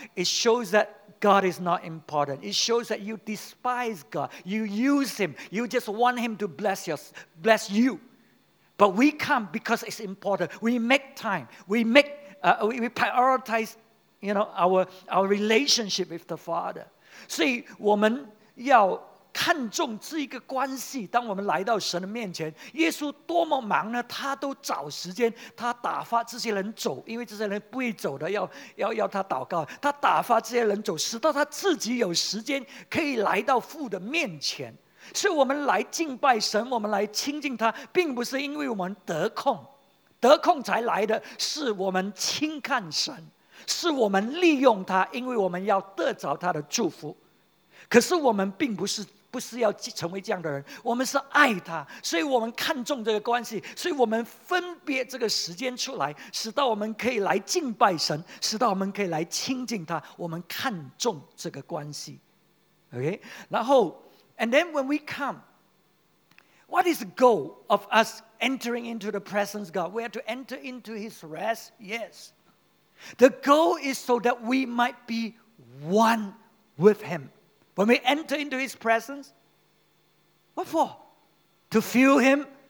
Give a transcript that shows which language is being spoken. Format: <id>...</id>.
<en>It shows that God is not important. It shows that you despise God. You use Him. You just want Him to bless you. But we come because it's important. We make time. We prioritize, you know, our relationship with the Father.</en> <zh>所以我们要 看重这一个关系，当我们来到神的面前，耶稣多么忙呢？他都找时间，他打发这些人走，因为这些人不会走的，要他祷告。他打发这些人走，使到他自己有时间可以来到父的面前。所以我们来敬拜神，我们来亲近他，并不是因为我们得空，得空才来的，是我们轻看神，是我们利用他，因为我们要得着他的祝福。可是我们并不是 不是要成为这样的人，我们是爱他，所以我们看重这个关系，所以我们分别这个时间出来，使到我们可以来敬拜神，使到我们可以来亲近他，我们看重这个关系。OK，然后，</zh> <en>and okay? then when we come, what is the goal of us entering into the presence of God? We are to enter into His rest. Yes, the goal is so that we might be one with Him. When we enter into His presence, what for? To feel Him?</en>